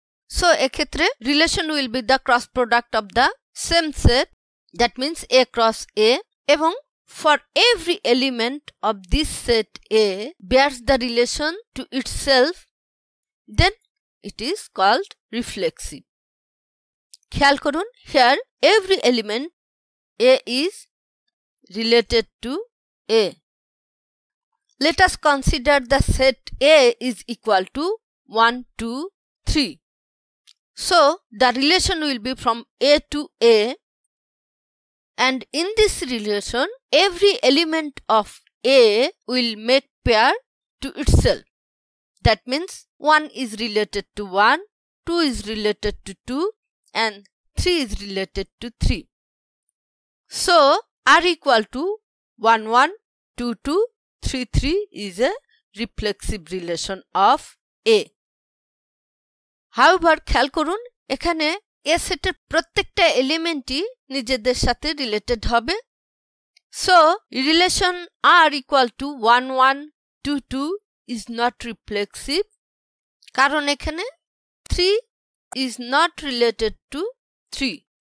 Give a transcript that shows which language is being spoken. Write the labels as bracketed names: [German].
[English] So এক্ষেত্রে relation will be the cross product of the same set, that means A cross A, এবং for every element of this set A bears the relation to itself, then it is called reflexive. [Bangla] খেয়াল করুন, [English] Here every element A is related to A. Let us consider the set A is equal to 1, 2, 3। So, the relation will be from A to A, and in this relation, every element of A will make pair to itself. That means 1 is related to 1, 2 is related to 2, and 3 is related to 3. So, R equal to 1, 1, 2, 2, 3, 3 is a reflexive relation of A. [Bangla] However খেয়াল করুন, এখানে এ সেটের প্রত্যেকটা এলিমেন্টই নিজেদের সাথে related হবে। [English] so relation R equal to 1, 1, 2, 2 is not reflexive, [Bangla] কারণ এখানে [English] 3 is not related to 3।